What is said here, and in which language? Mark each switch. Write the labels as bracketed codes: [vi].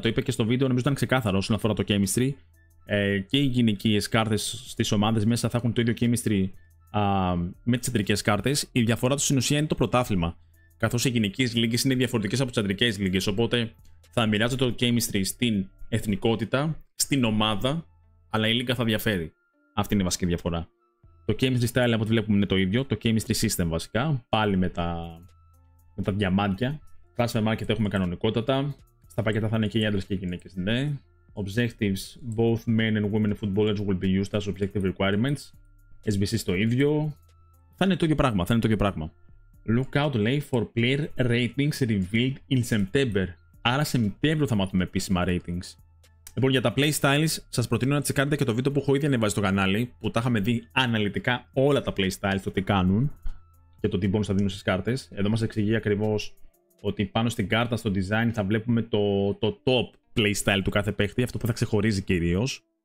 [el] Το είπε και στο βίντεο, νομίζω ήταν ξεκάθαρο όσον αφορά το chemistry. Και οι γυναικείες κάρτες στις ομάδες μέσα θα έχουν το ίδιο chemistry με τις αντρικές κάρτες. Η διαφορά του στην ουσία είναι το πρωτάθλημα. Καθώς οι γυναικείες λίγκες είναι διαφορετικές από τις αντρικές λίγκες. Οπότε θα μοιράζεται το chemistry στην εθνικότητα, στην ομάδα, αλλά η λίγκα θα διαφέρει. Αυτή είναι η βασική διαφορά. Το chemistry style, από ό,τι βλέπουμε, είναι το ίδιο. Το chemistry system βασικά. Πάλι με τα διαμάντια. Transfer market έχουμε κανονικότατα. Στα πακέτα θα είναι και οι άντρες και οι γυναίκες. Ναι. Objectives. [en] Both men and women footballers will be used as objective requirements. [el] SBCs το ίδιο. Θα είναι το ίδιο πράγμα. Θα είναι το ίδιο πράγμα. [en] Lookout lay for player ratings revealed in September. [el] Άρα Σεπτέμβριο θα μάθουμε επίσημα ratings. Λοιπόν, για τα playstyles, σας προτείνω να τσεκάρετε και το βίντεο που έχω ήδη ανεβάσει στο κανάλι, που τα είχαμε δει αναλυτικά όλα τα playstyles, το τι κάνουν και το τι bonus θα δίνουν στις κάρτες. Εδώ μας εξηγεί ακριβώς ότι πάνω στην κάρτα, στο design, θα βλέπουμε το top playstyle του κάθε παίχτη, αυτό που θα ξεχωρίζει κυρίως.